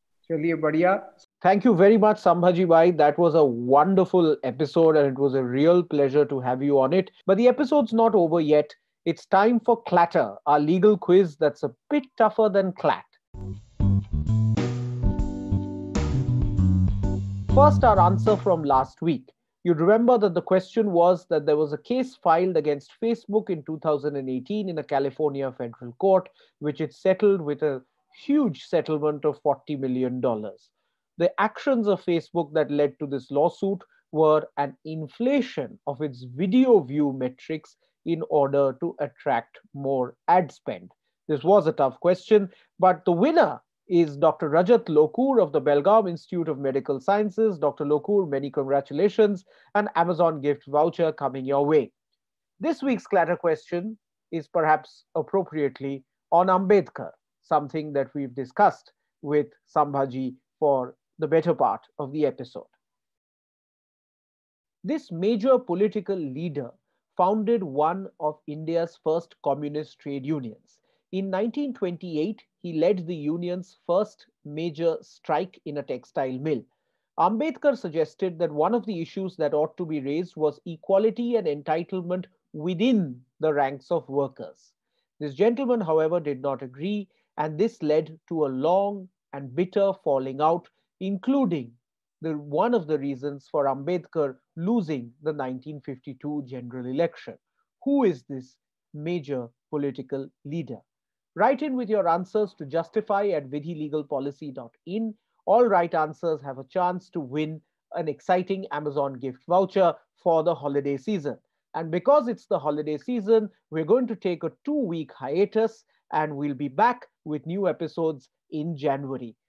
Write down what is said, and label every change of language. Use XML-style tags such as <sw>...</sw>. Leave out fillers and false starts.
<hi>चलिए बढ़िया।</hi> <en>Thank you very much Sambhaji भाई, that was a wonderful episode and it was a real pleasure to have you on it. But the episode's not over yet, it's time for Clatter, our legal quiz that's a bit tougher than CLAT. First, our answer from last week. You'd remember that the question was that there was a case filed against Facebook in 2018 in a California federal court, which it settled with a huge settlement of $40 million. The actions of Facebook that led to this lawsuit were an inflation of its video view metrics in order to attract more ad spend. This was a tough question, but the winner is Dr. Rajat Lokur of the Belgaum Institute of Medical Sciences. Dr. Lokur, many congratulations, an Amazon gift voucher coming your way. This week's clatter question is perhaps appropriately on Ambedkar, something that we've discussed with Sambhaji for the better part of the episode. This major political leader founded one of India's first communist trade unions in 1928 he led the unions first major strike in a textile mill. Ambedkar suggested that one of the issues that ought to be raised was equality and entitlement within the ranks of workers. This gentleman however did not agree and this led to a long and bitter falling out including the one of the reasons for Ambedkar losing the 1952 general election. Who is this major political leader? Write in with your answers to justify at vidhilegalpolicy.in. All right answers have a chance to win an exciting Amazon gift voucher for the holiday season. And because it's the holiday season, we're going to take a 2-week hiatus and we'll be back with new episodes in January.</en>